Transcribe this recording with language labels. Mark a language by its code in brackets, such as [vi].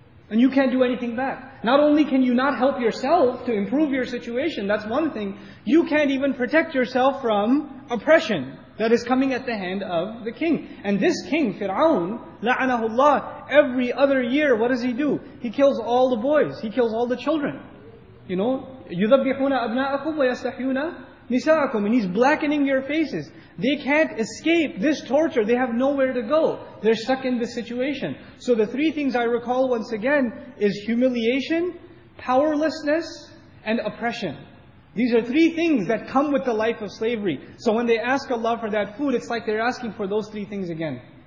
[en] And you can't do anything back. Not only can you not help yourself to improve your situation, that's one thing, you can't even protect yourself from oppression that is coming at the hand of the king. And this king, Fir'aun, la'anahu Allah, every other year, what does he do? He kills all the boys. He kills all the children. [ar] You know, يُذَبِّحُونَ أَبْنَاءَكُمْ وَيَسْتَحْيُونَ نِسَاءَكُمْ. [en] And he's blackening your faces. They can't escape this torture. They have nowhere to go. They're stuck in this situation. So the three things I recall once again is humiliation, powerlessness, and oppression. These are three things that come with the life of slavery. So when they ask Allah for that food, it's like they're asking for those three things again.